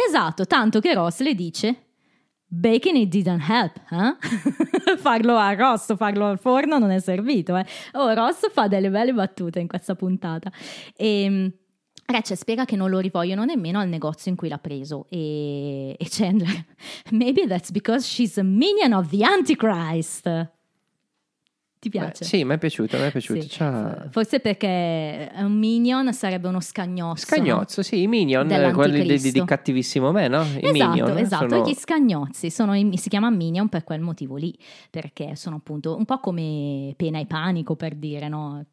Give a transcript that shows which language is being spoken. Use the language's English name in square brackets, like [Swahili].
[Italian] Esatto, tanto che Ross le dice... [English] Baking it didn't help, eh? [Italian] Farlo a rosso, farlo al forno non è servito, eh? Oh, Ross fa delle belle battute in questa puntata. E Rachel spiega che non lo rivogliono nemmeno al negozio in cui l'ha preso. [English] E Chandler: maybe that's because she's a minion of the Antichrist. [Italian] Ti piace? Beh, sì, mi è piaciuto, mi è piaciuto. Sì. Ciao. Forse perché un minion sarebbe uno scagnozzo. Scagnozzo, sì, i minion, quelli di cattivissimo me, no? I esatto, minion, esatto, gli scagnozzi, si chiama minion per quel motivo lì, perché sono appunto un po' come Pena e Panico, per dire, no?